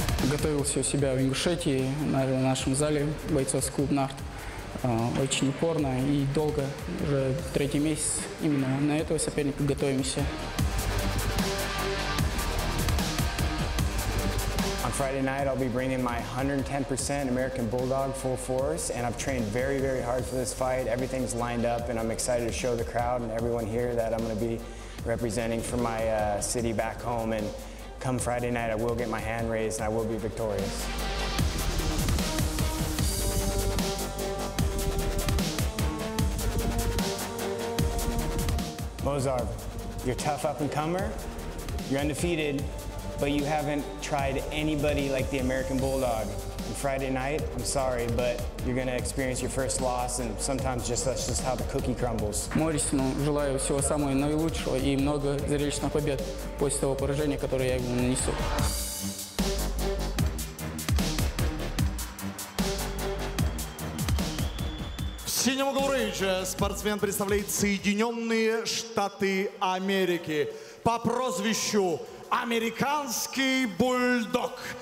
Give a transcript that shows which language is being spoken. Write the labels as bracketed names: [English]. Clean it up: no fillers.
[Russian] Готовился у себя в Ингушетии, в нашем зале бойцовский клуб «Нахт». Очень упорно и долго, уже третий месяц именно на этого соперника готовимся. [English] On Friday night I'll be bringing my 110% American Bulldog full force, and I've trained very, very hard for this fight. Everything's lined up, and I'm excited to show the crowd and everyone here that I'm going to be representing for my city back home. And come Friday night I will get my hand raised and I will be victorious. Mozart, you're tough up-and-comer, you're undefeated, but you haven't tried anybody like the American Bulldog. And Friday night, I'm sorry, but you're gonna experience your first loss, and sometimes that's just how the cookie crumbles. [Russian] Моррисону желаю всего самого наилучшего и много зрелищных побед после того поражения, которое я ему нанесу. Синему Гурейджа спортсмен представляет Соединенные Штаты Америки по прозвищу Американский Бульдог.